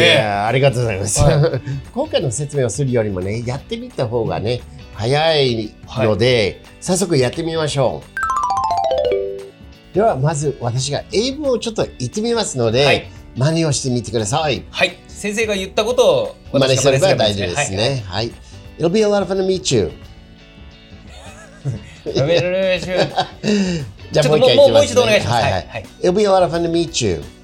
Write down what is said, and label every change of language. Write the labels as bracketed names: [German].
[Japanese] いや、ありがとうございます、はい、今回の説明をするよりもね、やってみた方がね早いので、はい、早速やってみましょう。ではまず私が英文をちょっと言ってみますので、はい、真似をしてみてください。はい、先生が言ったことを私真似すれば大丈夫ですね、はいはい、 [English] It'll be a lot of fun to meet you. [Japanese] じゃあもう一回いきますね。もう一度お願いします、 [English] はいはいはい、It'll be a lot of fun to meet you